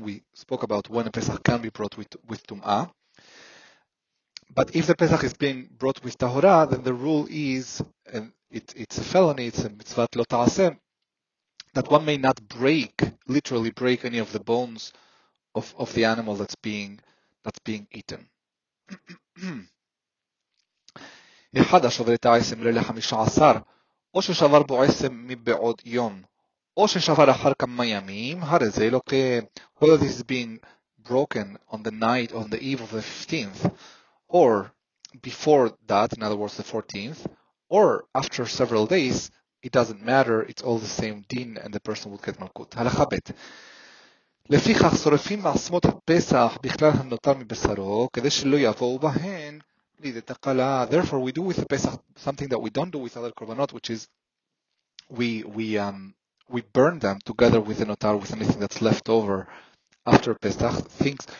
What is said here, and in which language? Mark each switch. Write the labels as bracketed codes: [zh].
[en] We spoke about when a Pesach can be brought with tum'ah. But if the Pesach is being brought with tahora, then the rule is, and it's a felony, it's a mitzvah lo ta'aseh, that one may not break, literally break any of the bones of the animal that's being eaten. [he] אחד השובר את העשם לילה 15, או ששבר בו עשם מבעוד יום, או ששבר אחר כמה ימים, הרי זה לא כ... [en] Whether this is being broken on the night, on the eve of the 15th, or before that, in other words, the 14th, or after several days, it doesn't matter, it's all the same din, and the person would get מלכות. [he] הלכה ב' לפיכך שורפים עצמות הפסח בכלל הנותר מבשרו, כדי שלא יבואו בהן, [en] Therefore, we do with the Pesach something that we don't do with other korbanot, which is we burn them together with the notar, with anything that's left over after Pesach. Things.